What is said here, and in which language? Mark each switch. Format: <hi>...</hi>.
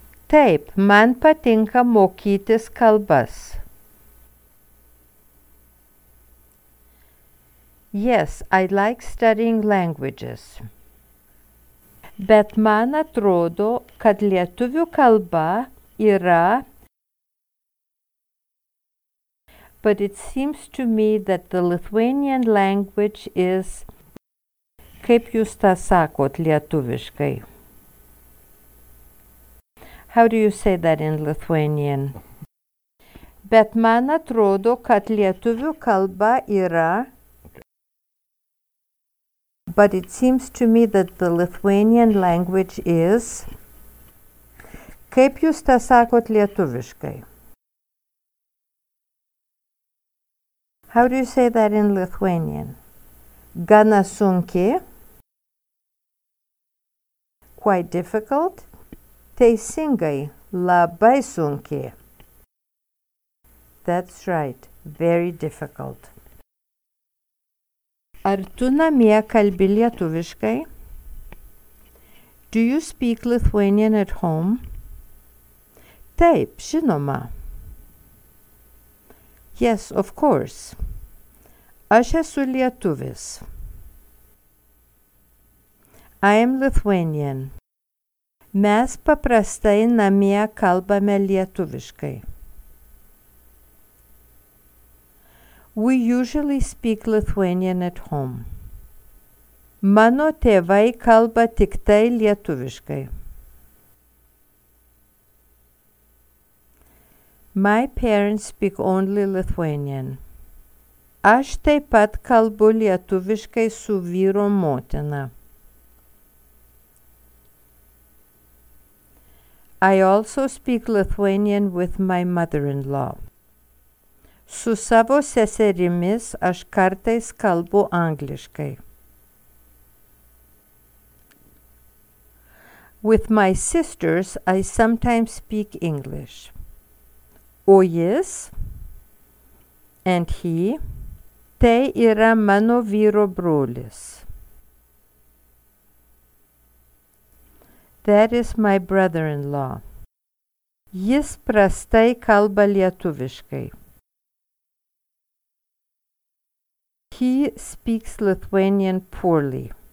<lt>Taip, man patinka mokytis kalbas.</lt> <en>Yes, I like studying languages.</en> <lt>Bet man atrodo, kad lietuvių kalba yra...</lt> <en>But it seems to me that the Lithuanian language is...</en> <lt>Kaip jūs tą sakot lietuviškai?</lt> <en>How do you say that in Lithuanian?</en> <lt>Bet man atrodo, kad lietuvių kalba yra...</lt> <en>But it seems to me that the Lithuanian language is...</en> <lt>Kaip jūs tą sakot lietuviškai?</lt> <en>How do you say that in Lithuanian?</en> <lt>Gana sunki.</lt> <en>Quite difficult.</en> <lt>Teisingai. Labai sunki.</lt> <en>That's right. Very difficult.</en> <lt>Ar tu namie kalbi lietuviškai?</lt> <en>Do you speak Lithuanian at home?</en> <lt>Taip, žinoma.</lt> <en>Yes, of course.</en> <lt>Aš esu lietuvis.</lt> <en>I am Lithuanian.</en> <lt>Mes paprastai namie kalbame lietuviškai.</lt> <en>We usually speak Lithuanian at home.</en> <lt>Mano tėvai kalba tik tai lietuviškai.</lt> <en>My parents speak only Lithuanian.</en> <lt>Aš taip pat kalbu lietuviškai su vyro motina.</lt> <en>I also speak Lithuanian with my mother-in-law.</en> <lt>Su savo seserimis aš kartais kalbu angliškai.</lt> <en>With my sisters, I sometimes speak English.</en> <lt>O jis,</lt> <en>and he,</en> <lt>tai yra mano vyro brolis.</lt> <en>That is my brother-in-law.</en> <lt>Jis prastai kalba lietuviškai.</lt> <en>He speaks Lithuanian poorly.</en>